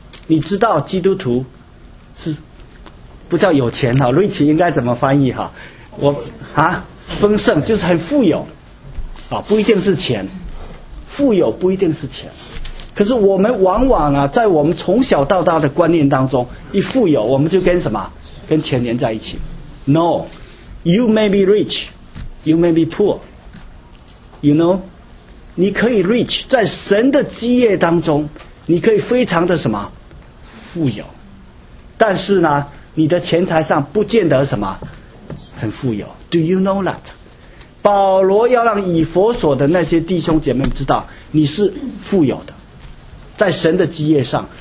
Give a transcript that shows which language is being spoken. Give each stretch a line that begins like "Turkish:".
Chinese: 你知道基督徒是不叫有钱哈， rich 应该怎么翻译哈？我啊，丰盛就是很富有啊，不一定是钱，富有不一定是钱。可是我们往往啊，在我们从小到大的观念当中，一富有我们就跟什么跟钱连在一起。
English: No, you may be rich, you may be poor. You know,
Chinese: 你可以 rich， 在神的基业当中，你可以非常的什么富有，但是呢，你的钱财上不见得什么很富有。
English: Do you know that?
Chinese: 保罗要让以弗所的那些弟兄姐妹知道，你是富有的，在神的基业上。